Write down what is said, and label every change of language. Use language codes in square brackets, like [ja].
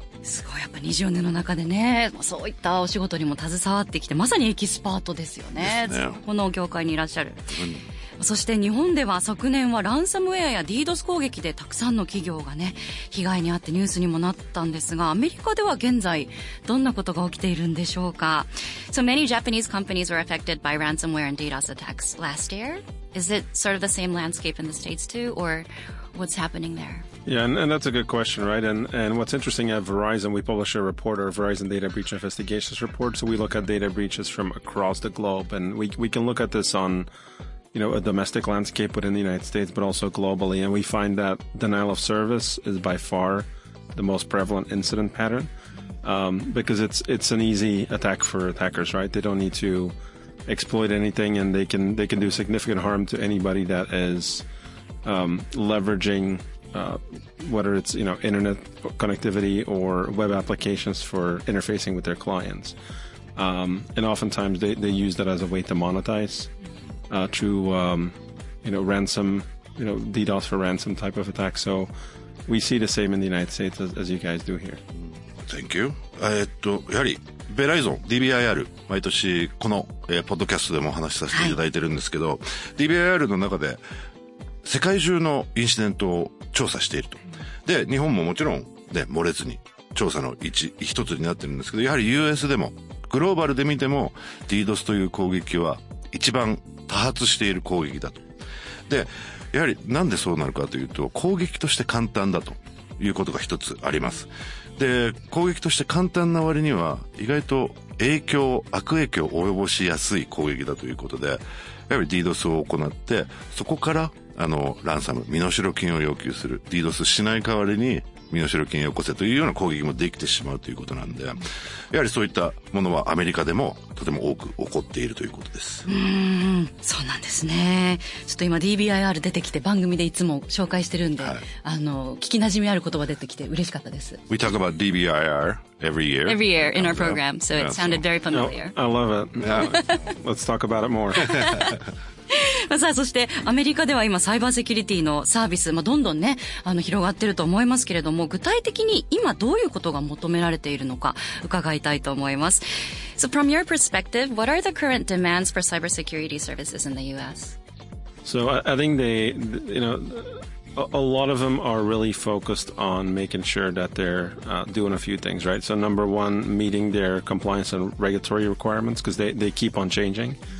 [ja] すごい、やっぱ20年の中でね、そういったお仕事にも携わってきて、まさにエキスパートですよね。ですね。この業界にいらっしゃる。そして日本では昨年はランサムウェアや DDoS 攻撃でたくさんの企業がね被害に遭ってニュースにもなったんですが、アメリカでは現在どんなことが起きているんでしょうか。 [en] So many Japanese companies were affected by ransomware and DDoS attacks last year. Is it sort of the same landscape in the States too, or what's happening there? Yeah, and that's a good question, right? And what's interesting at Verizon, we publish a report, our Verizon Data Breach Investigations Report. So we look at data breaches from across the globe, and we can look at this on, you know, a domestic landscape within the United States, but also globally. And we find that denial of service is by far the most prevalent incident pattern, because it's an easy attack for attackers, right? They don't need to exploit anything, and they can do significant harm to anybody that is leveraging... whether it's, you know, internet connectivity or web applications for interfacing with their clients. And oftentimes they use that as a way to monetize through, you know, ransom, you know, DDoS for ransom type of attack. So we see the same in the United States as you guys do here. Thank you. [ja] やはりベライゾン DBIR 毎年この、ポッドキャストでもお話しさせていただいてるんですけど、はい、DBIR の中で世界中のインシデントを調査していると。で、日本ももちろんね、漏れずに調査の一つになってるんですけど、やはり US でも、グローバルで見ても、DDoS という攻撃は一番多発している攻撃だと。で、やはりなんでそうなるかというと、攻撃として簡単だということが一つあります。で、攻撃として簡単な割には、意外と影響、悪影響を及ぼしやすい攻撃だということで、やはり DDoS を行って、そこから、ランサム、身代金を要求する。 DDoS しない代わりに身代金をよこせというような攻撃もできてしまうということなんで、やはりそういったものはアメリカでもとても多く起こっているということです。そうなんですね。ちょっと今 DBIR 出てきて番組でいつも紹介してるんで、はい、聞き馴染みある言葉出てきて嬉しかったです。 [en] We talk about DBIR every year. Every year in our program, so it sounded very familiar. I love it. Yeah. Let's talk about it more. [ja] さあ、そしてアメリカでは今サイバーセキュリティのサービス、まあ、どんどんね広がってると思いますけれども、具体的に今どういうことが求められているのか伺いたいと思います。 [en] So from your perspective, what are the current demands for cybersecurity services in the US? So I think they, you know, a lot of them are really focused on making sure that they're doing a few things, right? So number one, meeting their compliance and regulatory requirements, because they keep on changing.